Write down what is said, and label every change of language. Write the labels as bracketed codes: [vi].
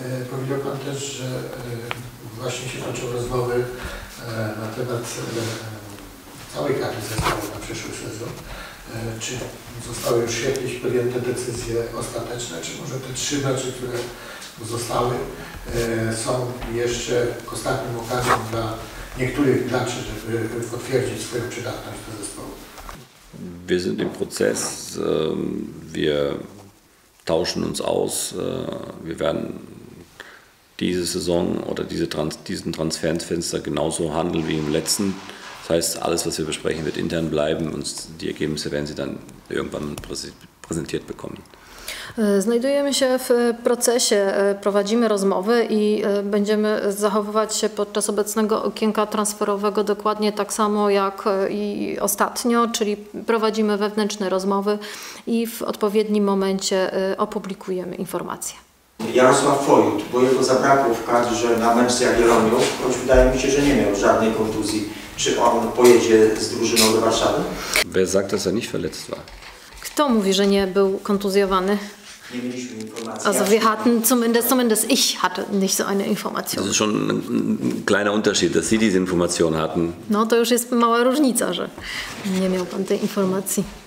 [pl] Powiedział Pan też, że właśnie się toczą rozmowy na temat całej kadry zespołu na przyszły sezon. Czy zostały już jakieś podjęte decyzje ostateczne, czy może te trzy mecze, które zostały, są jeszcze ostatnim okazją dla niektórych graczy, żeby potwierdzić swoją przydatność do zespołu? [de] Wir sind im Prozess, wir tauschen uns aus, wir werden diese Saison oder diesen Transferfenster genauso handeln wie im letzten. Das heißt, alles, was wir besprechen, wird intern bleiben und die Ergebnisse werden Sie dann irgendwann präsentiert bekommen. [pl] Znajdujemy się w procesie, prowadzimy rozmowy i będziemy zachowywać się podczas obecnego okienka transferowego dokładnie tak samo jak i ostatnio, czyli prowadzimy wewnętrzne rozmowy i w odpowiednim momencie opublikujemy informacje. Jarosław Foyt, bo jego zabrakło w kadrze na mecz z Jagiellonią, choć wydaje mi się, że nie miał żadnej kontuzji. Czy on pojedzie z drużyną do Warszawy? [de] Wer sagt, dass er nicht verletzt war? [pl] Kto mówi, że nie był kontuzjowany? [de] Also wir hatten zumindest ich hatte nicht so eine Information. Das ist schon ein kleiner Unterschied, dass Sie diese Information hatten. [pl] No, to już jest mała różnica, że nie miał pan tej informacji.